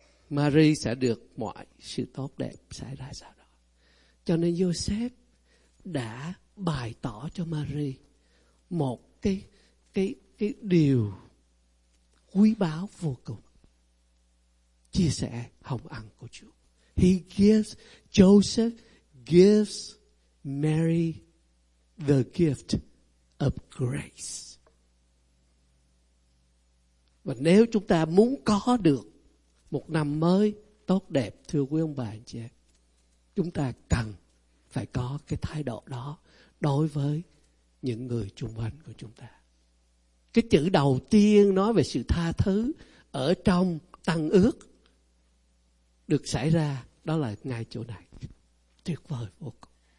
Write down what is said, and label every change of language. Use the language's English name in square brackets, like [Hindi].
[Vietnamese] Mary sẽ được mọi sự tốt đẹp xảy ra sau đó. Cho nên Joseph đã bày tỏ cho Mary một cái điều quý báu vô cùng. Chia sẻ hồng ân của Chúa. [English] He gives, Joseph gives Mary the gift of grace. [Vietnamese] Và nếu chúng ta muốn có được một năm mới tốt đẹp, thưa quý ông bà anh chị, chúng ta cần phải có cái thái độ đó đối với những người chung quanh của chúng ta. Cái chữ đầu tiên nói về sự tha thứ ở trong tăng ước được xảy ra, đó là ngay chỗ này. Tuyệt vời vô cùng.